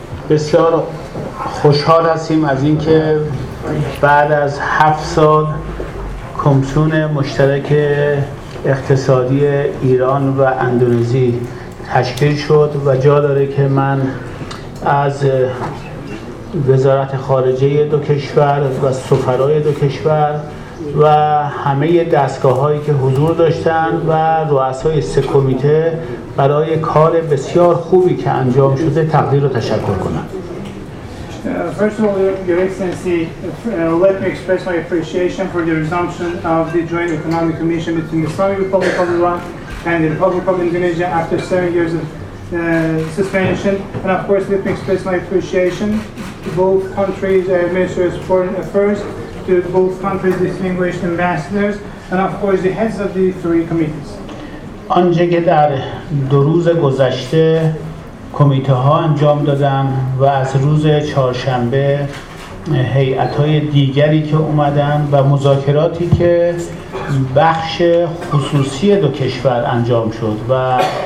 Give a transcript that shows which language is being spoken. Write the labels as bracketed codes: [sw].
[fa] بسیار خوشحال هستیم از اینکه بعد از 7 سال کمیسیون مشترک اقتصادی ایران و اندونزی تشکیل شد و جا داره که من از وزارت خارجه دو کشور و سفرای دو کشور و همه دستگاه‌هایی که حضور داشتن و رؤسای سه کمیته برای کار بسیار خوبی که انجام شده تقدیر و تشکر کنم. [en] First of all, Your Excellency, let me express my appreciation for the resumption of the Joint Economic Commission between the Islamic Republic of Iran and the Republic of Indonesia after 7 years of suspension. And of course, let me express my appreciation to both countries' ministers of foreign affairs, to both countries' distinguished ambassadors, and of course, the heads of the three committees. [fa] آنچه که در دو روز گذشته کمیته ها انجام دادن و از روز چهارشنبه هیئت های دیگری که اومدن و مذاکراتی که بخش خصوصی دو کشور انجام شد و